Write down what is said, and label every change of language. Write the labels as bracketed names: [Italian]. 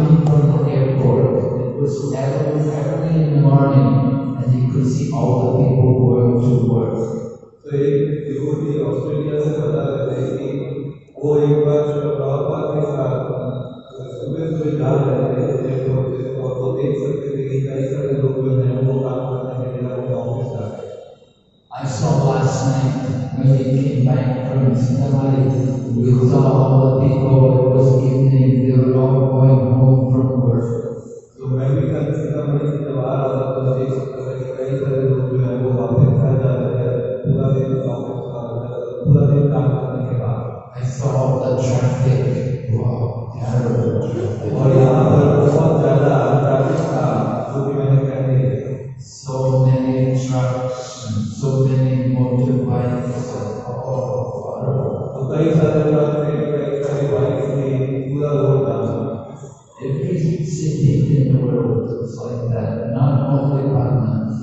[English] Early in the morning, and you could see all the people who were [Hindi] Yogi Australia से बता रहे थे कि वो एक बार जो प्रभुपाद के साथ सुबह सुबह जा रहे थे एयरपोर्ट से और वो देख सकते थे कि कई सारे लोग जो हैं वो काम कर रहे हैं या उनके ऑफिस जा रहे हैं। [English] I saw last night when he came back from Sinhali, we saw all the people. It was evening. They were all going home from work. [Hindi] So मैं भी कल सीतामढ़ी से जब आ रहा था तो देख सकता था कि कई सारे लोग जो हैं वो वापस घर जा रहे हैं पूरा दिन ऑफिस का पूरा दिन काम करने के बाद। [English] I saw the traffic. Wow, terrible traffic. [Hindi] और यहाँ पर बहुत ज़्यादा ट्रैफिक था जो कि मैंने कह दिया। [English] So many trucks, so many motorbikes. [Hindi] तो कई सारे ट्रक थे, कई सारे बाइक थे, पूरा रोड था। [English] Every city in the world looks like that, not only Patna.